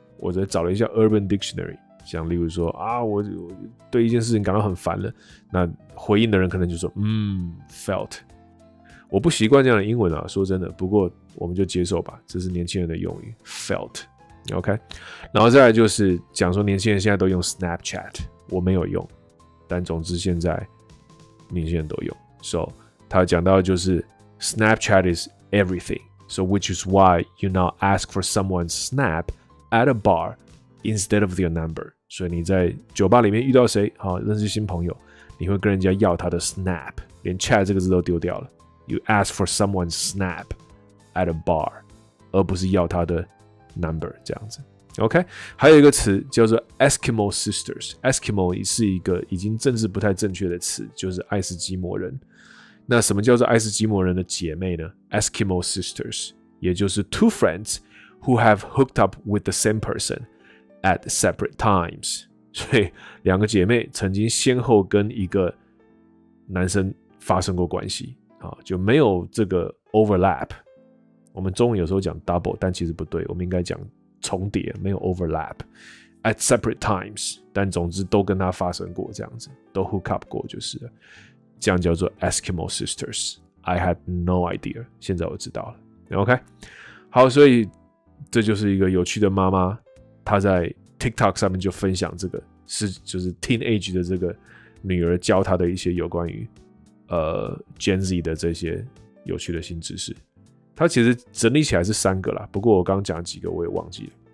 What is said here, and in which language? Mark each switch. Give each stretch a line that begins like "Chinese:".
Chinese: 我在找了一下 Urban Dictionary， 像例如说啊， 我对一件事情感到很烦了，那回应的人可能就说felt。我不习惯这样的英文啊，说真的，不过我们就接受吧，这是年轻人的用语 ,felt, OK。然后再来就是讲说年轻人现在都用 Snapchat， 我没有用，但总之现在年轻人都用。
English: So,
Chinese: 他讲到就是
English: Snapchat is everything, so which is why you now ask for someone's snap at a bar instead of their number。
Chinese: 所以你在酒吧里面遇到谁，好，认识新朋友，你会跟人家要他的 snap， 连 chat 这个字都丢掉了。
English: You ask for someone's snap at a bar，
Chinese: 而不是要他的
English: number 这样子。
Chinese: OK， 还有一个词叫做 Eskimo sisters。Eskimo 是一个已经政治不太正确的词，就是爱斯基摩人。那什么叫做爱斯基摩人的姐妹呢 ？Eskimo sisters， 也就是
English: two friends who have hooked up with the same person at separate times。
Chinese: 所以两个姐妹曾经先后跟一个男生发生过关系。就没有这个 overlap， 我们中文有时候讲 double， 但其实不对，我们应该讲重叠，没有
English: overlap at separate times，
Chinese: 但总之都跟他发生过这样子，都 hook up 过就是了，这样叫做 Eskimo sisters。
English: I had no idea，
Chinese: 现在我知道了。 OK， 好，所以这就是一个有趣的妈妈，她在 TikTok 上面就分享这个是就是 teenage 的这个女儿教她的一些有关于Gen Z 的这些有趣的新知识。他其实整理起来是三个啦，不过我刚讲几个我也忘记了。